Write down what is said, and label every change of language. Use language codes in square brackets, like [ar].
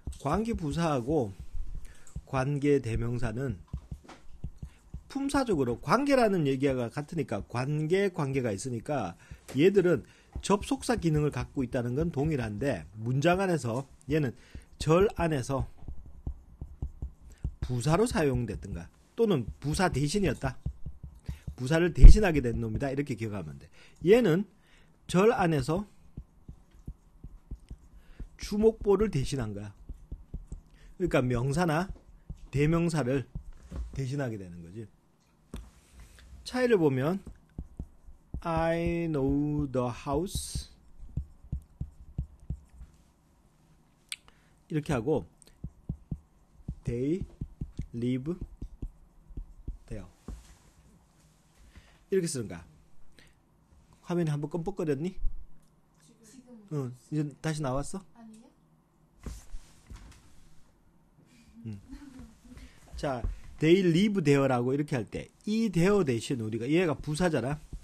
[ko] 관계부사하고 관계대명사는 품사적으로 관계라는 얘기가 같으니까 관계가 있으니까 얘들은 접속사 기능을 갖고 있다는 건 동일한데 문장 안에서 얘는 절 안에서 부사로 사용됐든가 또는 부사 대신이었다. 부사를 대신하게 된 놈이다. 이렇게 기억하면 돼. 얘는 절 안에서 주목보를 대신한 거야. 그러니까 명사나 대명사를 대신하게 되는 거지. 차이를 보면, [en] I know the house. [ko] 이렇게 하고, [en] they live there. [ko] 이렇게 쓰는 거야. 화면이 한번 껌뻑거렸니? 응, 이제 다시 나왔어? 자, [en] they live there [ko] 라고 이렇게 할 때, 이 there 대신 우리가 얘가 부사잖아.